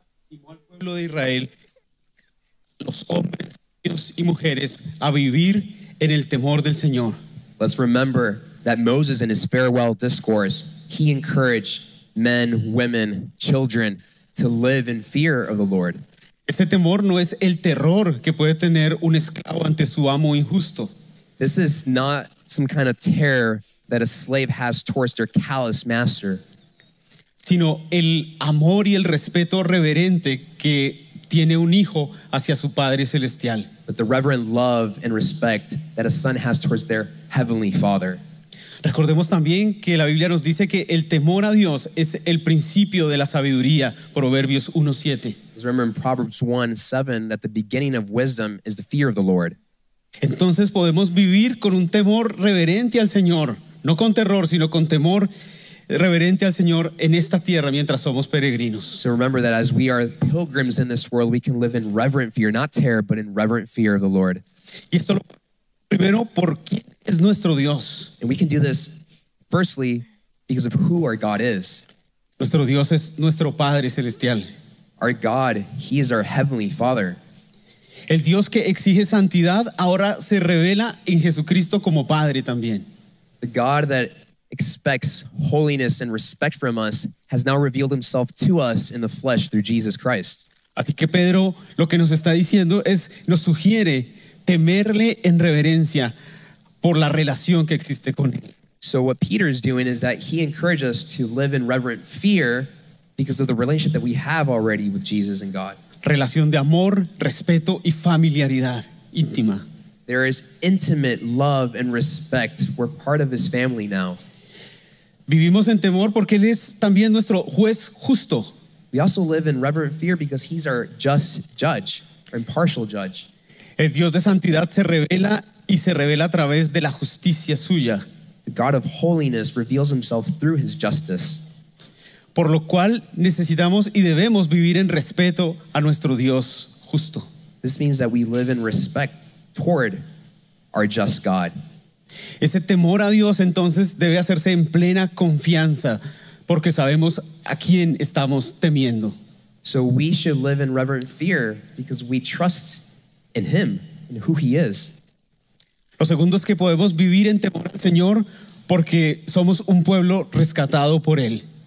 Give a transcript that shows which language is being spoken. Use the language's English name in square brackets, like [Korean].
[Spanish] Pueblo de Israel, los hombres, niños y mujeres, a vivir en el temor del Señor. [English] Let's remember that Moses, in his farewell discourse, he encouraged men, women, children to live in fear of the Lord. [Spanish] Este temor no es el terror que puede tener un esclavo ante su amo injusto. [English] This is not some kind of terror that a slave has towards their callous master. [Spanish] Sino el amor y el respeto reverente que tiene un hijo hacia su padre celestial. [English] But the reverent love and respect that a son has towards their heavenly father. [Spanish] Recordemos también que la Biblia nos dice que el temor a Dios es el principio de la sabiduría, Proverbios 1:7. [English] Let's remember in Proverbs 1:7 that the beginning of wisdom is the fear of the Lord. [Spanish] Entonces podemos vivir con un temor reverente al Señor, no con terror, sino con temor reverente al Señor en esta tierra mientras somos peregrinos. [English] So remember that as we are pilgrims in this world, we can live in reverent fear, not terror, but in reverent fear of the Lord. [Spanish] Y esto lo primero por quién es nuestro Dios. [English] And we can do this firstly because of who our God is. [Spanish] Nuestro Dios es nuestro Padre Celestial. [English] Our God, he is our Heavenly Father. [Spanish] El Dios que exige santidad ahora se revela en Jesucristo como Padre también. [English] The God that expects holiness and respect from us has now revealed himself to us in the flesh through Jesus Christ. [Spanish] Así que Pedro lo que nos está diciendo es nos sugiere temerle en reverencia por la relación que existe con él. [English] So what Peter is doing is that he encourages us to live in reverent fear because of the relationship that we have already with Jesus and God. [Spanish] Relación de amor, respeto y familiaridad íntima. [English] There is intimate love and respect. We're part of his family now. [Spanish] Vivimos en temor porque él es también nuestro juez justo. [English] We also live in reverent fear because he's our just judge, our impartial judge. [Spanish] El Dios de santidad se revela y se revela a través de la justicia suya. [English] The God of holiness reveals himself through his justice. [Spanish] Por lo cual necesitamos y debemos vivir en respeto a nuestro Dios justo. [English] This means that we live in respect toward our just God. [Spanish] Ese temor a Dios entonces debe hacerse en plena confianza porque sabemos a quién estamos temiendo. [English] So we should live in reverent fear because we trust in him and who he is. [Spanish] Lo segundo es que podemos vivir en temor al Señor porque somos un pueblo rescatado por él.